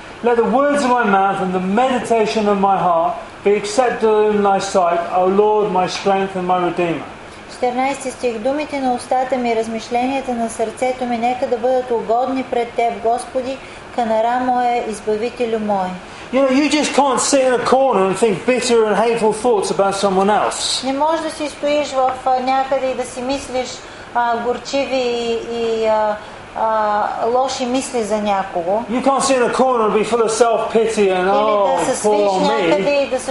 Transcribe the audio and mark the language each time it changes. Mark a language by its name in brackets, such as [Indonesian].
[English] Let the words of my mouth and the meditation of my heart be accepted in thy sight, O Lord, my strength and my redeemer. [Bulgarian] 14 стих. Думите на устата ми, размишленията на сърцето ми, нека да бъдат угодни пред теб, Господи, канара моя, избавителю мой. [English] You know, you just can't sit in a corner and think bitter and hateful thoughts about someone else. [Bulgarian] Не можеш да си стоиш в някъде и да си мислиш горчиви и лоши мисли за някого. [English] You can't sit in a corner and be full of self-pity and poor on me.